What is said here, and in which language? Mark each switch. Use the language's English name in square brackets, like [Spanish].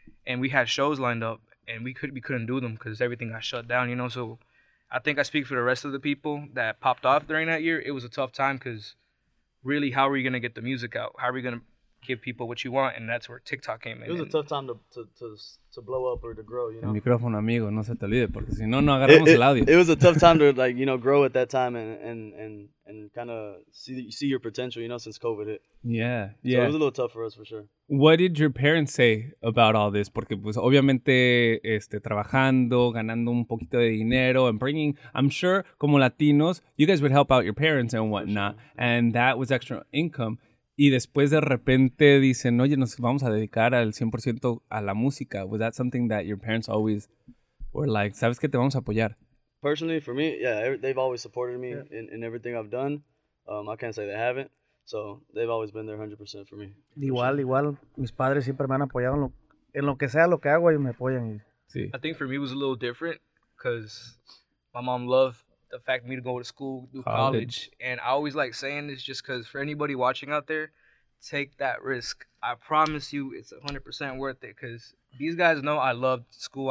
[English] And we had shows lined up, and we couldn't do them because everything got shut down, you know. So I think I speak for the rest of the people that popped off during that year. It was a tough time because really, how are you going to get the music out? How are you going to give people what you want? And that's where TikTok came in. It was a tough time to blow up or to grow, you know. [Spanish] El micrófono, amigo, no se te olvide, porque si no, no agarramos el audio. [English] It was a tough time to, like, you know, grow at that time and kind of see your potential, you know, since COVID hit. Yeah, yeah. So it was a little tough for us, for sure. What did your parents say about all this? [Spanish] Porque, pues, obviamente, trabajando, ganando un poquito de dinero, [English] and bringing, I'm sure, [Spanish] como Latinos, [English] you guys would help out your parents and whatnot, sure. And that was extra income. [Spanish] Y después, de repente, dicen, oye, nos vamos a dedicar al 100% a la música. [English] Was that something that your parents always were like, [Spanish] sabes que te vamos a apoyar? [English] Personally, for me, yeah, they've always supported me yeah. in everything I've done. I can't say they haven't. So, they've always been there 100% for me. [Spanish] Igual, igual. Mis padres siempre me han apoyado en lo que sea lo que hago, ellos me apoyan. Y... Sí. [English] I think for me it was a little different because my mom loved the fact for me to go to school, do college. And I always like saying this just because for anybody watching out there, take that risk. I promise you it's 100% worth it because these guys know I loved school.